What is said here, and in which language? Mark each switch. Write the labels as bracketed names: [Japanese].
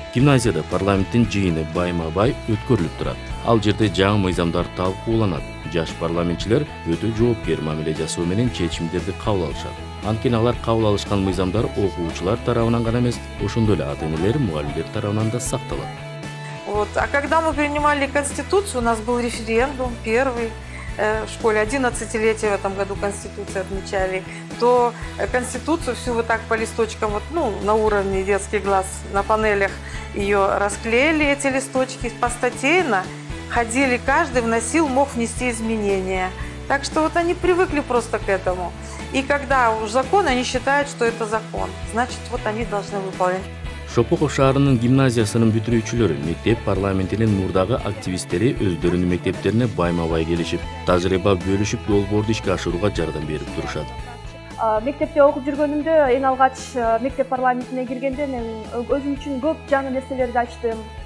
[Kyrgyz] Гимназияда парламенттин жыйыны байма-бай өткөрүлүп турат. Ал жерде жаңы мыйзамдар талкууланат. Жаш парламентчилер өтө жоопкер мамиле жасоо менен чечимдерди кабыл алышат. Анткени алар кабыл алышкан мыйзамдар окуучулар тарабынан гана эмес, ошондой эле ата-энелер, мугалимдер тарабынан да сакталат. [Russian] Вот, а когда мы принимали конституцию, у нас был референдум первый. В школе 11-летие в этом году Конституции отмечали, то Конституцию всю вот так по листочкам, вот, ну, на уровне детских глаз, на панелях ее расклеили, эти листочки, постатейно ходили, каждый вносил, мог внести изменения. Так что вот они привыкли просто к этому. И когда уж закон, они считают, что это закон. Значит, вот они должны выполнять. [Kyrgyz] Шопоков шаарынын гимназиясынын бүтүрүүчүлөрү, мектеп парламентинин мурдагы активисттери өздөрүнүн мектептерине байма-бай келишип, тажрыйба бөлүшүп, долбоорду ишке ашырууга жардам берип турушат. Мектепте окуп жүргөнүмдө эң алгач мектеп парламентине киргенде мен өзүм үчүн көп жаңы нерселерди ачтым.